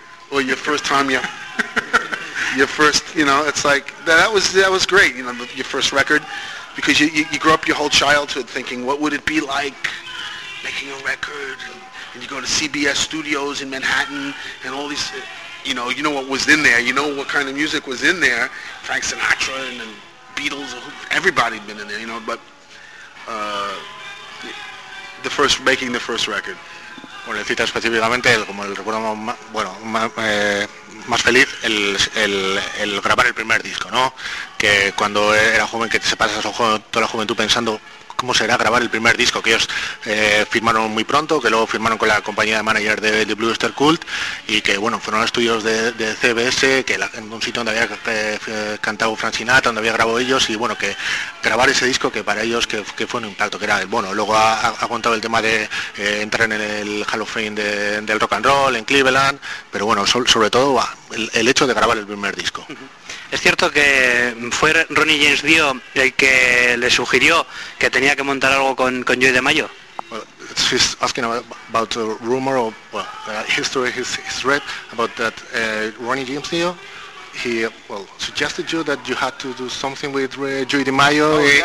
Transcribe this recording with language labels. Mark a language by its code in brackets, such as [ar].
[en] Well, your first time, your first, you know, it's like, that was great, you know, your first record, because you grew up your whole childhood thinking, what would it be like making a record, and you go to CBS Studios in Manhattan, and all these, you know what was in there, you know what kind of music was in there, Frank Sinatra and Beatles, everybody had been in there, you know, but making the first record. [es] Bueno, le cita específicamente, como el recuerdo más feliz, el grabar el primer disco, ¿no? Que cuando era joven, que se pasa toda la juventud pensando cómo será grabar el primer disco, que ellos firmaron muy pronto, que luego firmaron con la compañía de manager de Blue Oyster Cult, y que, bueno, fueron a estudios de CBS, que en un sitio donde había cantado Frank Sinatra, donde había grabado ellos, y bueno, que grabar ese disco, que para ellos que fue un impacto, que era, bueno, luego ha contado el tema de entrar en el Hall of Fame del rock and roll en Cleveland, pero bueno, sobre todo el hecho de grabar el primer disco. Es cierto que fue Ronnie James Dio el que le sugirió que tenía que montar algo con Joey DeMaio. [en] Well, he's asking about a rumor or history he's read about that Ronnie James Dio. He suggested you that you had to do something with Joey DeMaio.